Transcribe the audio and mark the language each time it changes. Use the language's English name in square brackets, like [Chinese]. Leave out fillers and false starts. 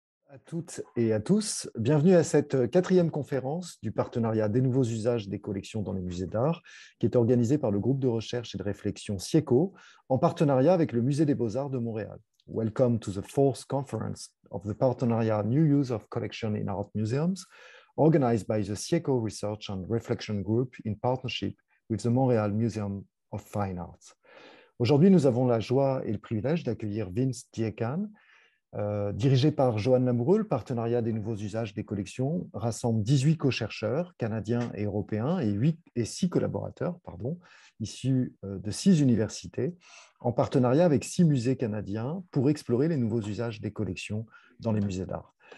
[French] À toutes et à tous, bienvenue à cette quatrième conférence du partenariat des nouveaux usages des collections dans les musées d'art, qui est organisée par le groupe de recherche et de réflexion CIÉCO, en partenariat avec le Musée des Beaux-Arts de Montréal. [English] Welcome to the fourth conference of the partenariat New Use of Collection in Art Museums, organized by the CIÉCO Research and Reflection Group in partnership with the Montreal Museum of Fine Arts. [French] Aujourd'hui, nous avons la joie et le privilège d'accueillir Vince Dziekan, dirigé par Joanne Lamoureux, le partenariat des nouveaux usages des collections rassemble 18 co-chercheurs canadiens et européens et 6 collaborateurs, issus de 6 universités, en partenariat avec 6 musées canadiens pour explorer les nouveaux usages des collections dans les musées d'art.